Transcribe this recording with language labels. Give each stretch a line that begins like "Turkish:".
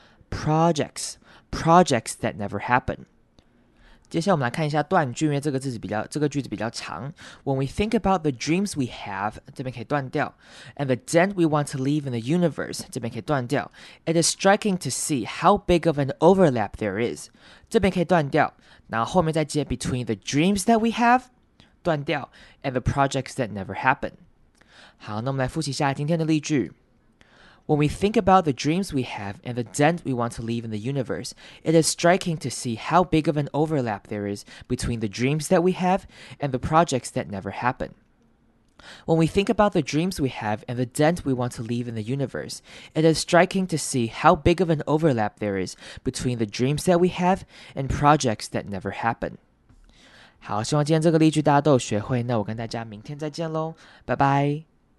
English: Projects that never happen.
Chinese: 接下来我们来看一下断句，因为这个句子比较长。
English: When we think about the dreams we have,
Chinese: 这边可以断掉。
English: And the dent we want to leave in the universe, 这边可以断掉。 It is striking to see how big of an overlap there is.
Chinese: 这边可以断掉。然后后面再接
English: between the dreams that we have, 断掉。 And the projects that never happen.
Chinese: 好，那我们来复习一下今天的例句。
English: When we think about the dreams we have and the dent we want to leave in the universe, it is striking to see how big of an overlap there is between the dreams that we have and the projects that never happen. When we think about the dreams we have and the dent we want to leave in the universe, it is striking to see how big of an overlap there is between the dreams that we have and projects that never happen.
Chinese: 好，希望今天这个例句大家都有学会，那我跟大家明天再见咯，拜拜。